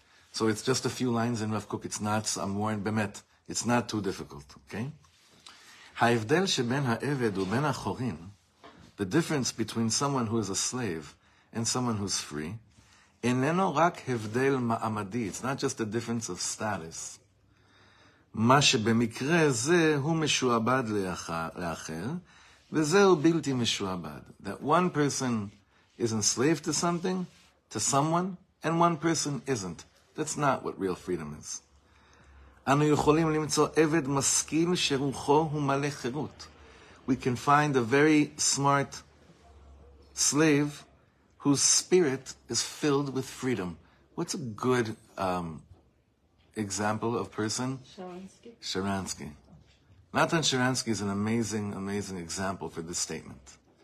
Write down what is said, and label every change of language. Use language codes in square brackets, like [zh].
[en] So it's just a few lines in Rav Kook. It's not, I'm warned, Bemet, it's not too difficult, okay? [he] Ha'evdel sheben ha'eved u'ben ha'chorin, [en] the difference between someone who is a slave and someone who's free, [he] איננו רק הבדל מעמדי, [en] it's not just a difference of status. [he] מה שבמקרה זה הוא משועבד לאחר, וזהו בלתי משועבד. [en] That one person is enslaved to something, to someone, and one person isn't. That's not what real freedom is. [he] אנו יכולים למצוא עבד משכיל שרוחו הוא מלא חירות. [en] We can find a very smart slave whose spirit is filled with freedom. What's a good example of person? Sharansky. Natan Sharansky is an amazing, amazing example for this statement.